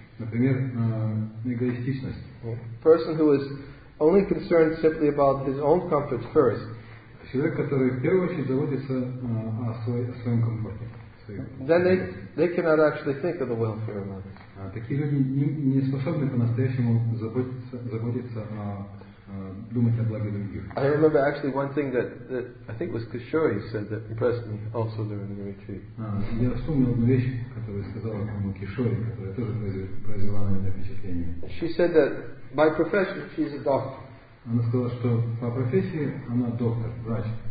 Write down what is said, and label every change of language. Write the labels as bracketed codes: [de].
[ru] Например, эгоистичность. [en] A person who is only concerned simply about his own comfort first. [ru] Человек, который в первую очередь заботится о своем комфорте. [en] Then they cannot actually think of the welfare of others. [ru] Такие люди не способны по-настоящему заботиться о думать о благе других. [en] I remember actually one thing that I think was Kishore who said that impressed me also during the retreat. [ru] Я вспомнил одну вещь, которую сказала кому Кишори, которая тоже произвела на меня впечатление. [en] She said that by profession she is a doctor. [ru] Она сказала, что по профессии она доктор, врач.